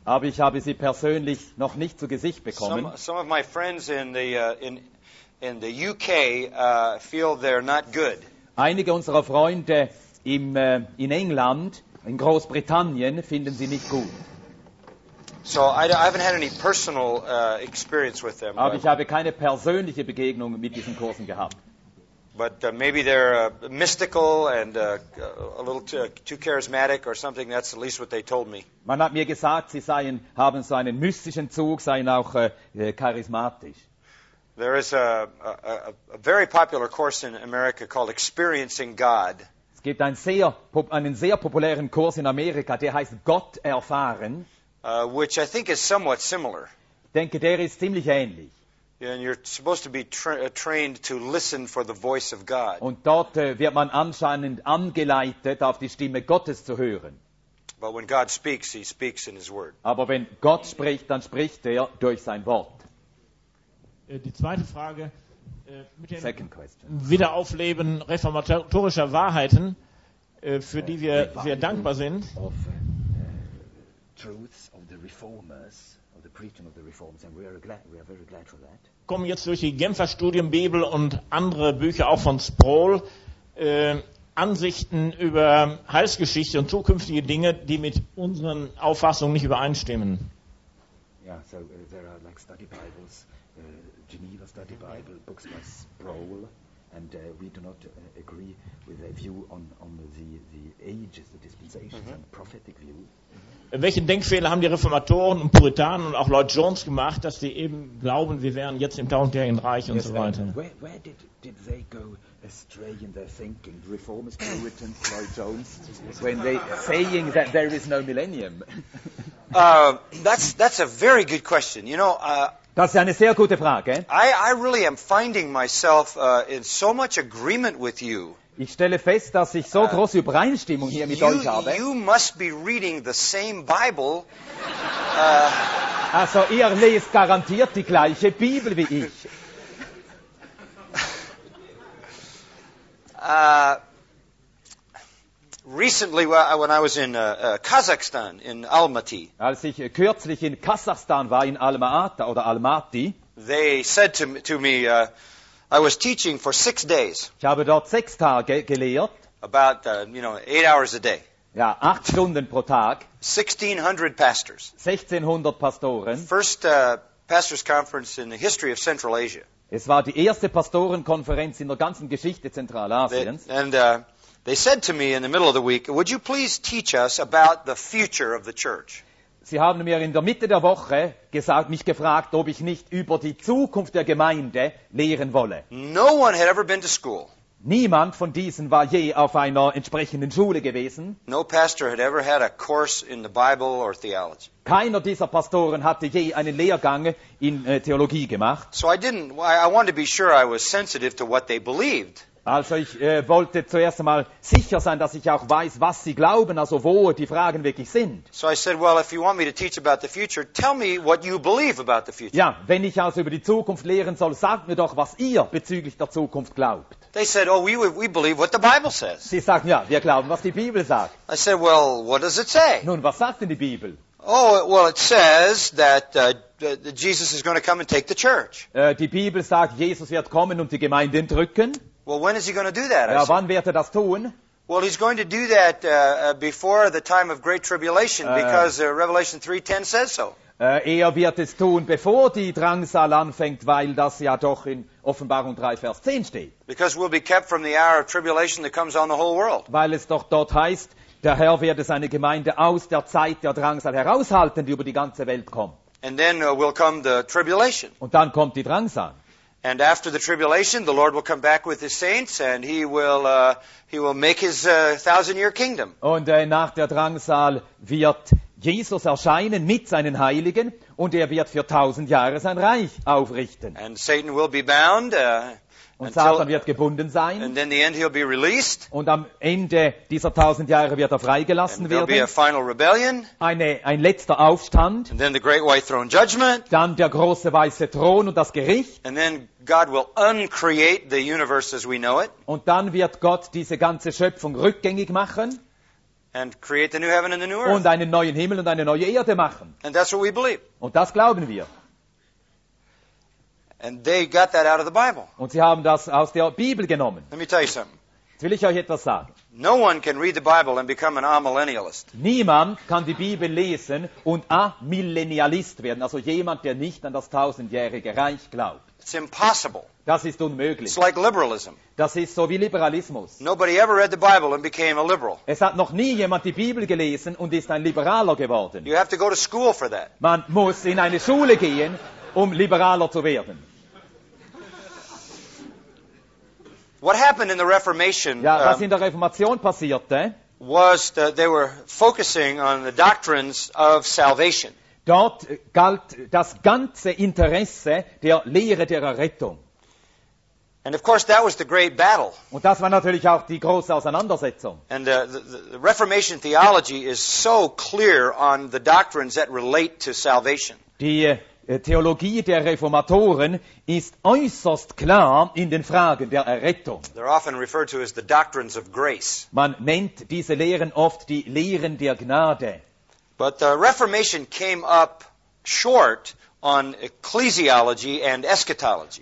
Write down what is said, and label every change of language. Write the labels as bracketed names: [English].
[German] Aber ich habe sie persönlich noch nicht zu Gesicht bekommen. [English] Some of my friends in the UK feel they're not good. [German] Einige unserer Freunde im, in England, in Großbritannien, finden sie nicht gut. [English] So I haven't had any personal experience with them. [German] Aber ich habe keine persönliche Begegnung mit diesen Kursen gehabt. [English] But maybe they're mystical and a little too charismatic or something. That's at least what they told me. [German] Man hat mir gesagt, sie seien, haben so einen mystischen Zug, seien auch charismatisch. [English] There is a very popular course in America called Experiencing God. [German] Es gibt einen sehr populären Kurs in Amerika, der heißt Gott erfahren. [English] Which I think is somewhat similar. [German] Ich denke, der ist ziemlich ähnlich. [English] And you're supposed to be trained to listen for the voice of God. [German] Und dort wird man anscheinend angeleitet, auf die Stimme Gottes zu hören. [English] But when God speaks, he speaks in his word. [German] Aber wenn Gott spricht, dann spricht er durch sein Wort. Die zweite Frage mit dem [English] Second question. [German] Wiederaufleben reformatorischer Wahrheiten, für die wir sehr dankbar sind. [English] Of, truths of the reformers, of the preaching of the reformers, and we are very glad for that. [German] Kommen jetzt durch die Genfer Studienbibel und andere Bücher auch von Sproul Ansichten über Heilsgeschichte und zukünftige Dinge, die mit unseren Auffassungen nicht übereinstimmen. [English] Ja, yeah, so there are like study Bibles. Geneva Study Bible, books by Sproul, and we do not agree with their view on the ages, the dispensations, and prophetic view. [German] Welchen Denkfehler haben die Reformatoren und Puritanen und auch Lloyd Jones gemacht, dass sie eben glauben, wir wären jetzt im tausendjährigen Reich und [English] yes, [German] so weiter? [English] Where did they go astray in their thinking? Reformers, Puritans, Lloyd Jones, when they saying that there is no millennium? That's a very good question. You know. [German] Das ist eine sehr gute Frage. [English] I really am finding myself in so much agreement with you. [German] Ich stelle fest, dass ich so große Übereinstimmung hier mit euch habe. [English] You must be reading the same Bible. [German] Also ihr lest garantiert die gleiche Bibel wie ich. [English] Recently, when I was in Kazakhstan, in Almaty, [German] als ich kürzlich in Kasachstan war, in Almaty oder Almaty, [English] they said to me, I was teaching for 6 days. [German] Ich habe dort 6 Tage gelehrt. [English] About 8 hours a day. [German] Ja, 8 Stunden pro Tag. [English] 1600 pastors. [German] 1600 Pastoren. [English] First pastors conference in the history of Central Asia. [German] Es war die erste Pastorenkonferenz in der ganzen Geschichte Zentralasiens. [English] They said to me in the middle of the week, would you please teach us about the future of the church? [German] Sie haben mir in der Mitte der Woche gesagt, mich gefragt, ob ich nicht über die Zukunft der Gemeinde lehren wolle. [English] No one had ever been to school. [German] Niemand von diesen war je auf einer entsprechenden Schule gewesen. [English] No pastor had ever had a course in the Bible or theology. [German] Keiner dieser Pastoren hatte je einen Lehrgang in Theologie gemacht. [English] So I wanted to be sure I was sensitive to what they believed. [German] Also ich wollte zuerst einmal sicher sein, dass ich auch weiß, was sie glauben, also wo die Fragen wirklich sind. [English] So I said, well, if you want me to teach about the future, tell me what you believe about the future. [German] Ja, wenn ich also über die Zukunft lehren soll, sagt mir doch, was ihr bezüglich der Zukunft glaubt. [English] They said, oh, we believe what the Bible says. [German] Sie sagten, ja, wir glauben, was die Bibel sagt. [English] I said, well, what does it say? [German] Nun, was sagt denn die Bibel? [English] Oh, well, it says that Jesus is going to come and take the church. [German] Die Bibel sagt, Jesus wird kommen und die Gemeinde entrücken. [English] Well, when is he going to do that? [German] Ja, wann wird er das tun? [English] Well, he's going to do that before the time of great tribulation, because Revelation 3:10 says so. [German] Er wird es tun, bevor die Drangsal anfängt, weil das ja doch in Offenbarung 3, Vers 10 steht. [English] Because we'll be kept from the hour of tribulation that comes on the whole world. [German] Weil es doch dort heißt, der Herr werde seine Gemeinde aus der Zeit der Drangsal heraushalten, die über die ganze Welt kommt. [English] And then will come the tribulation. [German] Und dann kommt die Drangsal. [English] And after the tribulation, the Lord will come back with His saints, and He will make His thousand-year kingdom. [German] Und nach der Drangsal wird Jesus erscheinen mit seinen Heiligen, und wird für 1000 Jahre sein Reich aufrichten. [English] And Satan will be bound. [German] Und Satan wird gebunden sein. [English] And then the end he'll be released. [German] Und am Ende dieser 1000 Jahre wird freigelassen werden. [English] There'll be a final rebellion. [German] Ein letzter Aufstand. [English] And then the great white throne judgment. [German] Dann der große weiße Thron und das Gericht. [English] And then God will uncreate the universe as we know it. [German] Und dann wird Gott diese ganze Schöpfung rückgängig machen. [English] And create the new heaven and the new earth. [German] Und einen neuen Himmel und eine neue Erde machen. [English] And that's what we believe. [German] Und das glauben wir. [English] And they got that out of the Bible. [German] Und sie haben das aus der Bibel genommen. [English] Let me tell you something. [German] Jetzt will ich euch etwas sagen. [English] No one can read the Bible and become an amillennialist. [German] Niemand kann die Bibel lesen und amillennialist werden, also jemand, der nicht an das tausendjährige Reich glaubt. [English] It's impossible. [German] Das ist unmöglich. [English] It's like liberalism. [German] Das ist so wie Liberalismus. [English] Nobody ever read the Bible and became a liberal. [German] Es hat noch nie jemand die Bibel gelesen und ist ein Liberaler geworden. [English] You have to go to school for that. [German] Man muss in eine Schule gehen, Liberaler zu werden. [English] What happened in the Reformation? [German] Ja, was in der Reformation passierte, [English] was that they were focusing on the doctrines of salvation. [German] Dort galt das ganze Interesse der Lehre der Errettung. [English] And of course that was the great battle. [German] Und das war natürlich auch die große Auseinandersetzung. [English] And the Reformation theology is so clear on the doctrines that relate to salvation. [German] Die Theologie der Reformatoren ist äußerst klar in den Fragen der Errettung. [English] They're often referred to as the doctrines of grace. [German] Man nennt diese Lehren oft die Lehren der Gnade. [English] But the Reformation came up short on ecclesiology and eschatology.